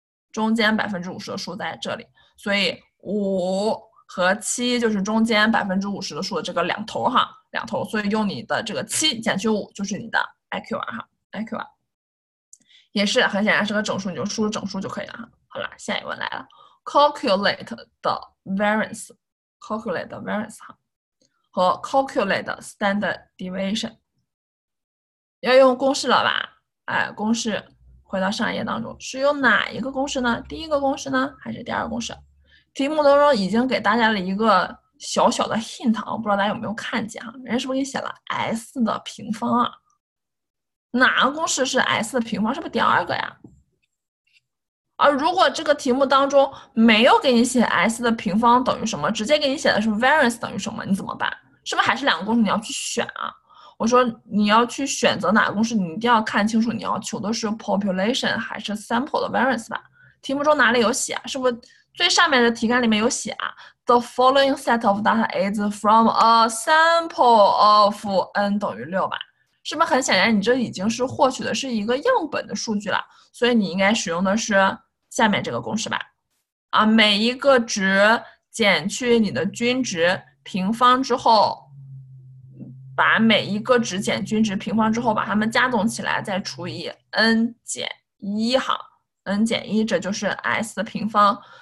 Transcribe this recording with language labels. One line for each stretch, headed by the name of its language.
Chinese: 中间50%的数在这里，所以五和七就是中间50%的数的这个两头哈，两头，所以用你的这个七减去五就是你的 IQR 哈 ，IQR 也是很显然是个整数，你就输入整数就可以了哈。好了，下一问来了 ，
English: calculate the variance，calculate the variance
Chinese: 哈，和
English: calculate the standard deviation，
Chinese: 要用公式了吧？哎，公式。回到上一页当中，是用哪一个公式呢？第一个公式呢，还是第二个公式？题目当中已经给大家了一个小小的 hint， 不知道大家有没有看见哈？人家是不是给你写了 s 的平方啊？哪个公式是 s 的平方？是不是第二个呀？而如果这个题目当中没有给你写 s 的平方等于什么，直接给你写的是 variance 等于什么，你怎么办？是不是还是两个公式你要去选啊？我说你要去选择哪个公式，你一定要看清楚你要求的是 population 还是 sample 的 variance 吧。题目中哪里有写啊？是不是最上面的题干里面有写啊？
English: The following set of data is from a sample of n
Chinese: 等于6吧。是不是很显然你这已经是获取的是一个样本的数据了，所以你应该使用的是下面这个公式吧。啊，每一个值减去你的均值平方之后，把每一个值减均值平方之后，把它们加总起来，再除以 n 减一哈 ，n 减一，这就是 s 的平方。